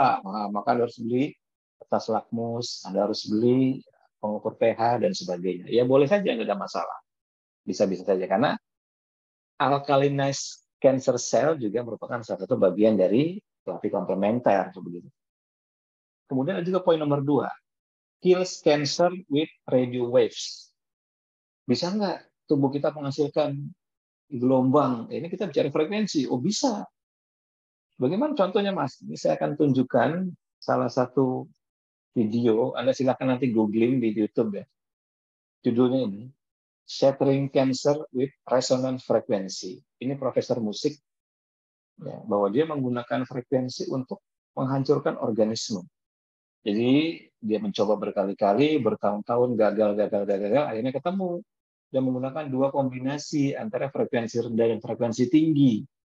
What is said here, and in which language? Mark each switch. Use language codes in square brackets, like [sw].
[id] Nah, maka Anda harus beli kertas lakmus, Anda harus beli pengukur pH, dan sebagainya. Ya, boleh saja, nggak ada masalah. Bisa-bisa saja. Karena alkalinized cancer cell juga merupakan salah satu bagian dari terapi komplementer. Begitu. Kemudian ada juga poin nomor 2. [en] Kills cancer with radio waves. [id] Bisa nggak tubuh kita menghasilkan gelombang? Ini kita bicara frekuensi. Oh, bisa. Bagaimana contohnya, Mas? Ini saya akan tunjukkan salah satu video. Anda silakan nanti googling di YouTube. Ya. Judulnya ini. [en] Shattering cancer with resonant frequency. [id] Ini profesor musik, ya, bahwa dia menggunakan frekuensi untuk menghancurkan organisme. Jadi dia mencoba berkali-kali, bertahun-tahun, gagal, akhirnya ketemu. Dia menggunakan dua kombinasi antara frekuensi rendah dan frekuensi tinggi.